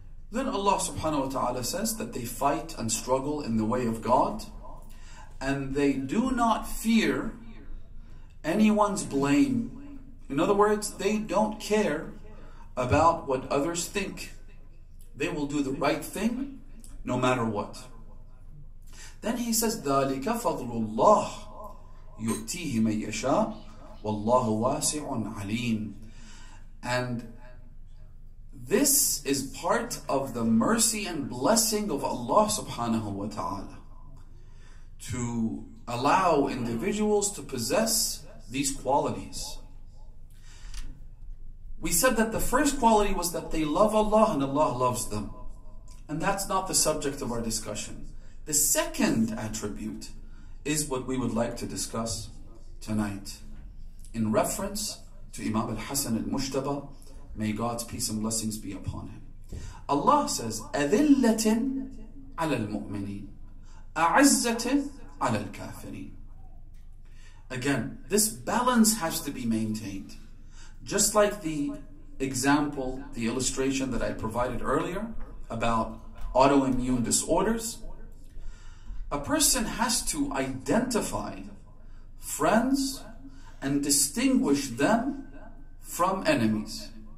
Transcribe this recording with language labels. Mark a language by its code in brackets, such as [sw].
[en] Then Allah subhanahu wa ta'ala says that they fight and struggle in the way of God, and they do not fear anyone's blame. In other words, they don't care about what others think. They will do the right thing no matter what. Then he says, [ar] ذَلِكَ فَضْلُ اللَّهِ يُؤْتِيهِ مَنْ يَشَاءُ وَاللَّهُ وَاسِعٌ عَلِيمٌ. [en] And this is part of the mercy and blessing of Allah subhanahu wa ta'ala to allow individuals to possess these qualities. We said that the first quality was that they love Allah and Allah loves them. And that's not the subject of our discussion. The second attribute is what we would like to discuss tonight in reference to Imam al-Hasan al-Mushtaba. May God's peace and blessings be upon him. Allah says, [ar] أَذِلَّةٍ عَلَى الْمُؤْمِنِينَ أَعِزَّةٍ عَلَى الْكَافِرِينَ. [en] Again, this balance has to be maintained. Just like the example, the illustration that I provided earlier about autoimmune disorders, a person has to identify friends and distinguish them from enemies.